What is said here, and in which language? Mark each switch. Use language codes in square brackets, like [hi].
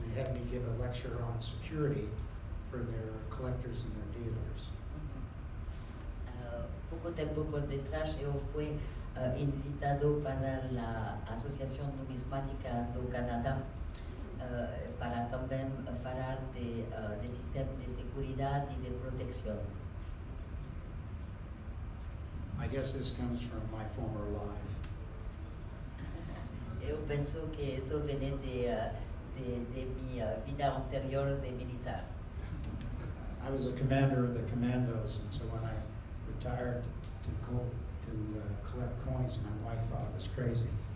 [en] They had me give a lecture on security for their collectors and their dealers. [pt] pouco tempo por detrás, eu fui invitado para a Associação Numismática do Canadá para também falar de sistema de segurança e de proteção. [en] I guess this comes from my former life. [pt] Eu penso que isso vem de minha vida anterior de militar. [en] I was a commander of the commandos, and so when I retired to collect coins, my wife thought it was crazy.